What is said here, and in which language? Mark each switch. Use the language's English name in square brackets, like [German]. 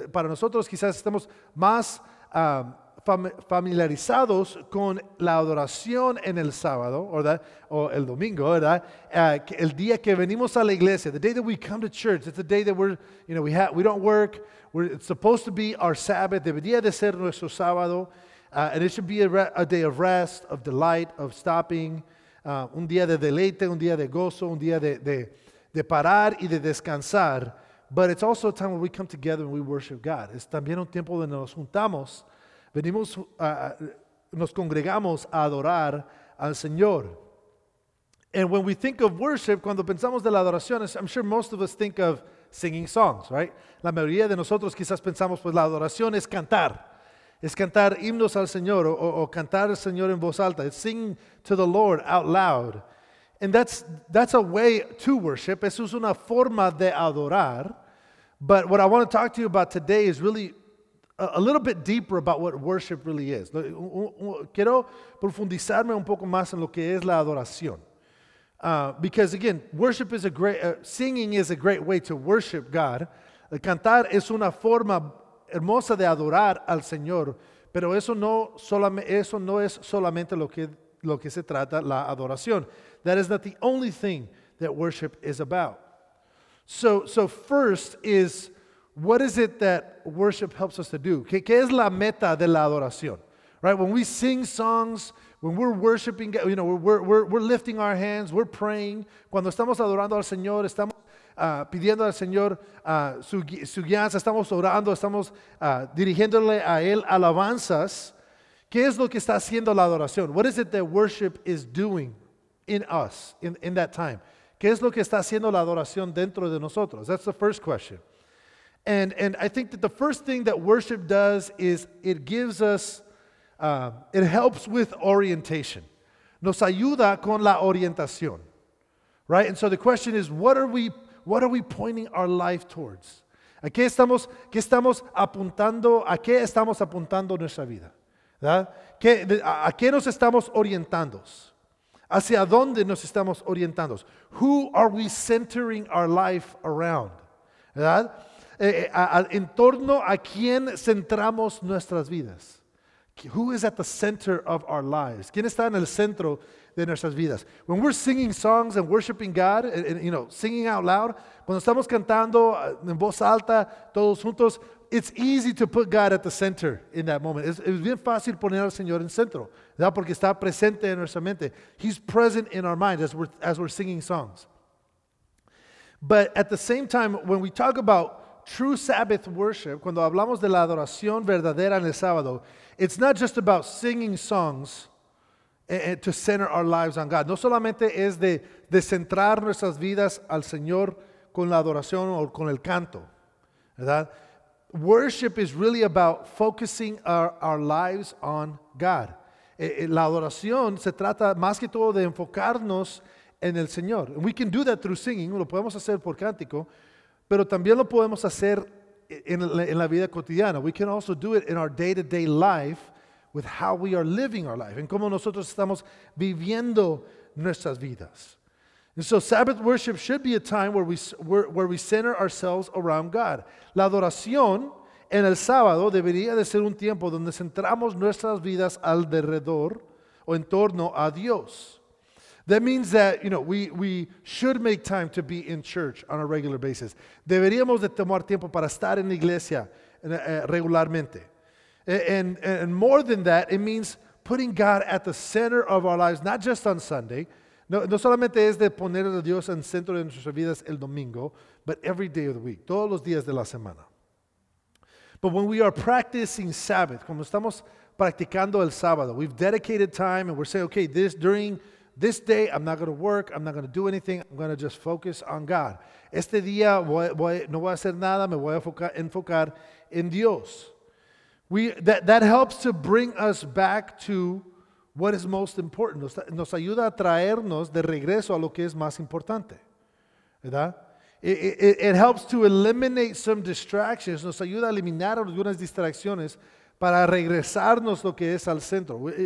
[Spanish] Para nosotros quizás estamos más familiarizados con la adoración en el sábado, ¿verdad? O el domingo, ¿verdad? El día que venimos a la iglesia, [English] the day that we come to church, it's the day that we're, you know, we don't work, it's supposed to be our Sabbath, [Spanish] debería de ser nuestro sábado, [English] and it should be a day of rest, of delight, of stopping, [Spanish] un día de deleite, un día de gozo, un día de parar y de descansar, [English] but it's also a time when we come together and we worship God. [Spanish] Es también un tiempo donde nos juntamos, venimos, nos congregamos a adorar al Señor. [English] And when we think of worship, [Spanish] cuando pensamos de la adoración, [English] I'm sure most of us think of singing songs, right? [Spanish] La mayoría de nosotros quizás pensamos, pues la adoración es cantar himnos al Señor o cantar al Señor en voz alta. [English] It's singing to the Lord out loud. And that's a way to worship. [Spanish] Eso es una forma de adorar. [English] But what I want to talk to you about today is really a little bit deeper about what worship really is. [Spanish] Quiero profundizarme un poco más en lo que es la adoración. [English] Because again, worship is a great, singing is a great way to worship God. [Spanish] Cantar es una forma hermosa de adorar al Señor. Pero eso no es solamente lo que se trata la adoración. [English] That is not the only thing that worship is about. So first is, what is it that worship helps us to do? [Spanish] ¿Qué es la meta de la adoración? [English] Right, when we sing songs, when we're worshiping, you know, we're lifting our hands, we're praying. [Spanish] Cuando estamos adorando al Señor, estamos pidiendo al Señor su guianza, estamos orando, estamos dirigiéndole a Él alabanzas. ¿Qué es lo que está haciendo la adoración? [English] What is it that worship is doing in us, in that time? [Spanish] ¿Qué es lo que está haciendo la adoración dentro de nosotros? [English] That's the first question. And I think that the first thing that worship does is it gives us It helps with orientation. [Spanish] Nos ayuda con la orientación. [English] Right? And so the question is, what are we pointing our life towards? [Spanish] ¿A qué estamos apuntando? ¿A qué estamos apuntando nuestra vida? ¿A qué nos estamos orientando? ¿Hacia dónde nos estamos orientando? [English] Who are we centering our life around? ¿Verdad? [Spanish] ¿En torno a quién centramos nuestras vidas? [English] Who is at the center of our lives? [Spanish] ¿Quién está en el centro de nuestras vidas? [English] When we're singing songs and worshiping God, and, you know, singing out loud, [Spanish] cuando estamos cantando en voz alta, todos juntos, [English] it's easy to put God at the center in that moment. [Spanish] Es bien fácil poner al Señor en centro, ¿verdad? Porque está presente en nuestra mente. [English] He's present in our mind as we're singing songs. But at the same time, when we talk about true Sabbath worship, [Spanish] cuando hablamos de la adoración verdadera en el sábado, [English] it's not just about singing songs to center our lives on God. [Spanish] No solamente es de centrar nuestras vidas al Señor con la adoración o con el canto, ¿verdad? [English] Worship is really about focusing our lives on God. [Spanish] La adoración se trata más que todo de enfocarnos en el Señor. [English] And we can do that through singing, [Spanish] lo podemos hacer por cántico, pero también lo podemos hacer en la vida cotidiana. We can also do it in our day-to-day life with how we are living our life, en cómo nosotros estamos viviendo nuestras vidas. [English] And so Sabbath worship should be a time where we center ourselves around God. [Spanish] La adoración en el sábado debería de ser un tiempo donde centramos nuestras vidas alrededor o en torno a Dios. [English] That means that, you know, we should make time to be in church on a regular basis. [Spanish] Deberíamos de tomar tiempo para estar en la iglesia regularmente. [English] And more than that, it means putting God at the center of our lives, not just on Sunday. [Spanish] No solamente es de poner a Dios en centro de nuestras vidas el domingo, [English] but every day of the week, [Spanish] todos los días de la semana. [English] But when we are practicing Sabbath, [Spanish] cuando estamos practicando el sábado, [English] we've dedicated time and we're saying, okay, this day I'm not going to work, I'm not going to do anything, I'm going to just focus on God. [Spanish] Este día no voy a hacer nada, me voy a enfocar en Dios. [English] That helps to bring us back to what is most important. [Spanish] Nos ayuda a traernos de regreso a lo que es más importante. ¿Verdad? [English] It helps to eliminate some distractions. [Spanish] Nos ayuda a eliminar algunas distracciones para regresarnos lo que es al centro.